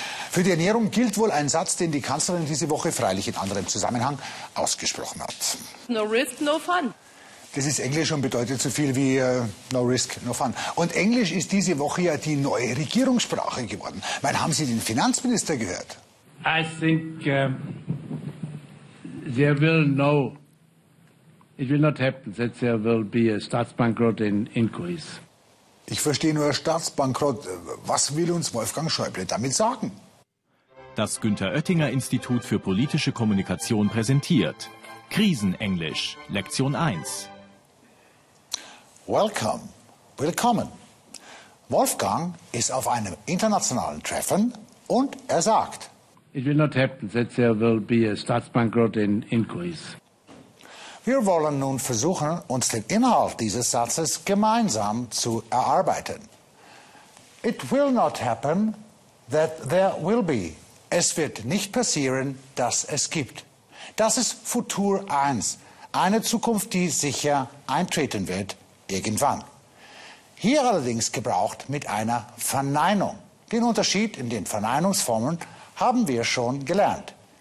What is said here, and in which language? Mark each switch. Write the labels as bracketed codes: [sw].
[de] Für die Ernährung gilt wohl ein Satz, den die Kanzlerin diese Woche freilich in anderem Zusammenhang ausgesprochen hat. [en] No risk, no fun. [de] Das ist Englisch und bedeutet so viel wie [en] no risk, no fun. [de] Und Englisch ist diese Woche ja die neue Regierungssprache geworden. Weil haben Sie den Finanzminister gehört? [en] I think there will no, it will not happen that there will be a Staatsbankrott in Greece. [de] Ich verstehe nur Staatsbankrott. Was will uns Wolfgang Schäuble damit sagen? Das Günther-Oettinger-Institut für politische Kommunikation präsentiert Krisenenglisch, Lektion 1. [en] Welcome, willkommen. [de] Wolfgang ist auf einem internationalen Treffen und er sagt: [en] It will not happen that there will be a Staatsbankrott in Greece. [de] Wir wollen nun versuchen, uns den Inhalt dieses Satzes gemeinsam zu erarbeiten. [en] It will not happen that there will be. [de] Es wird nicht passieren, dass es gibt. Das ist Futur 1, eine Zukunft, die sicher eintreten wird, irgendwann. Hier allerdings gebraucht mit einer Verneinung. Den Unterschied in den Verneinungsformen haben wir schon gelernt.